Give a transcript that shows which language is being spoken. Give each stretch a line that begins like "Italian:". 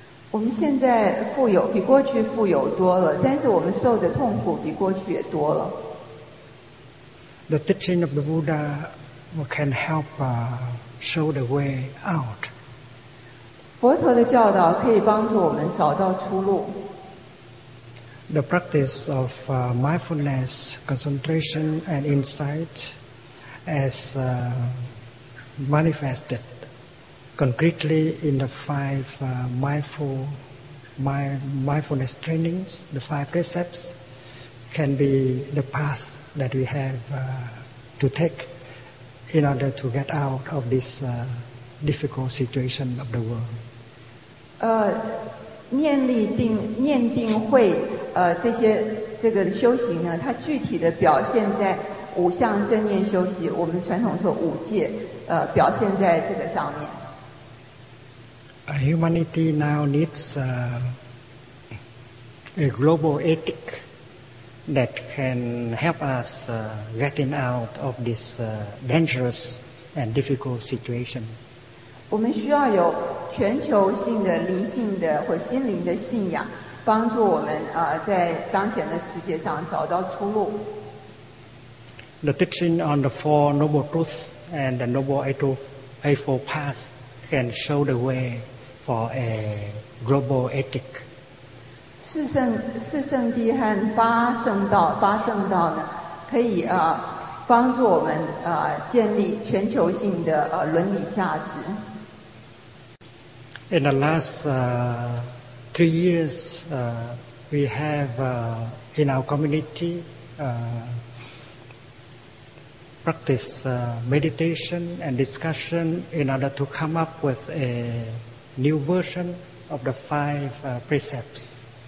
Chinese: 我们现在富有比过去富有多了，但是我们受的痛苦比过去也多了。
English: The teaching of the Buddha can help show the way out.
Chinese: 佛陀的教导可以帮助我们找到出路。
English: The practice of mindfulness, concentration, and insight as manifested concretely in the five mindfulness trainings, the five precepts, can be the path that we have to take in order to get out of this difficult situation of the world.
Chinese: 念定慧这些这个修行呢，它具体的表现在五项正念修习，我们传统说五戒表现在这个上面。
English: Humanity now needs a global ethic that can help us getting out of this dangerous and difficult situation.
Chinese: 我们需要有全球性的灵性的或心灵的信仰，帮助我们在当前的世界上找到出路。
English: The teaching on the Four Noble Truths and the Noble Eightfold Path can show the way for a global ethic.
Chinese: 四圣地和八圣道呢，可以帮助我们建立全球性的伦理价值。
English: In the last 3 years, we have in our community practiced meditation and discussion in order to come up with a new version of the five precepts.